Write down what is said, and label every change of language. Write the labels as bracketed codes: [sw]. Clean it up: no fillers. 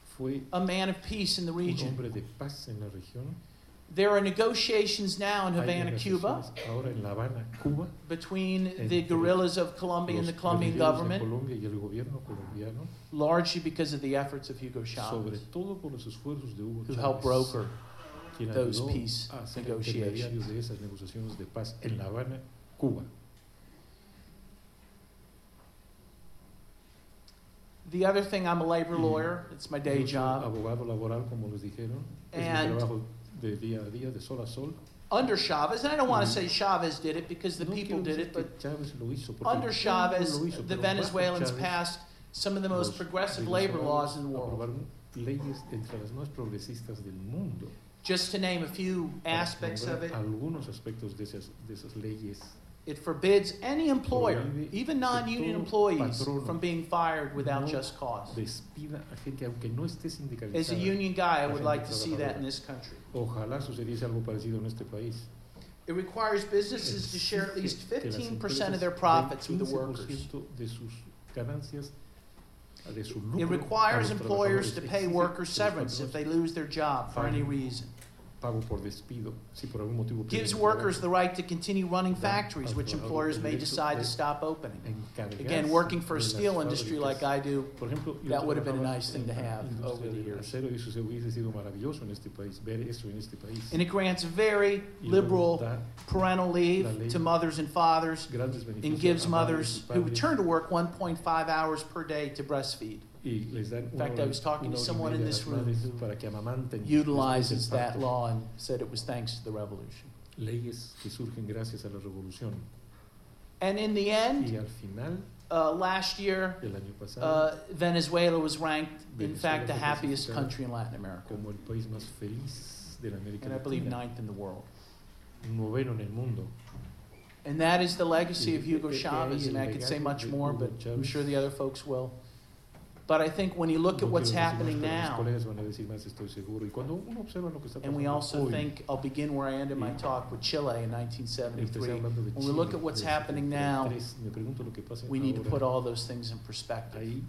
[es] fue [en] a man of peace in the region. [es] Un hombre de paz en la región. [en] There are negotiations now in Havana, Cuba, [es] ahora en La Habana, Cuba, [en] between the guerrillas of Colombia and the Colombian government, [es] Colombia y el gobierno colombiano, [en] largely because of the efforts of Hugo Chávez, [es] sobre todo por los esfuerzos de Hugo Chávez, [en] who helped broker those peace negotiations. [es] De esas negociaciones de paz en La Habana, Cuba. [en] The other thing, I'm a labor lawyer. It's my day job. [es] Abogado laboral, como les dijeron, [en] and [es] es mi trabajo de día a día, de sol a sol. [en] Under Chávez, and I don't want to say Chávez did it because the people did it, but [es] Chávez lo hizo, [en] under Chávez, [es] lo hizo, [en] the Venezuelans [es] Chávez [en] passed some of the most progressive labor laws in the world. [es] Leyes entre las más progresistas del mundo. [en] Just to name a few aspects of it, [es] algunos aspectos de esas leyes. [en] It forbids any employer, even non-union employees, from being fired without just cause. [es] Despida a gente, aunque no esté sindicalizada. [en] As a union guy, I would like to see that in this country. [es] Ojalá sucediese algo parecido en este país. [en] It requires businesses to share at least 15% of their profits with the workers. [es] De sus ganancias, de su lucro. [en] It requires employers to pay workers severance if they lose their job for any reason. [es] Pago por despido, si por algún motivo [en] gives workers the right to continue running factories, which employers may decide to stop opening. Again, working for a steel industry like I do, [es] por ejemplo, [en] that would have been a nice thing to have over the years. [es] Acero, eso hubiese sido maravilloso en este país, ver eso en este país. [en] And it grants very liberal parental leave to mothers and fathers, and gives mothers who return to work 1.5 hours per day to breastfeed. In fact, I was talking to someone in this room utilizes that law and said it was thanks to the revolution. [es] Leyes que surgen gracias a la revolución. [en] And in the end, [es] y al final, [en] last year, [es] el año pasado, [en] Venezuela was ranked, in fact, the happiest country in Latin America. [es] Como el país más feliz de la América [en] Latina. And I believe ninth in the world. [es] Noveno en el mundo. [en] And that is the legacy of Hugo Chávez, and I could say much more, but I'm sure the other folks will. But I think when you look at what's happening now, and we also think, I'll begin where I ended my talk with Chile in 1973, when we look at what's happening now, we need to put all those things in perspective.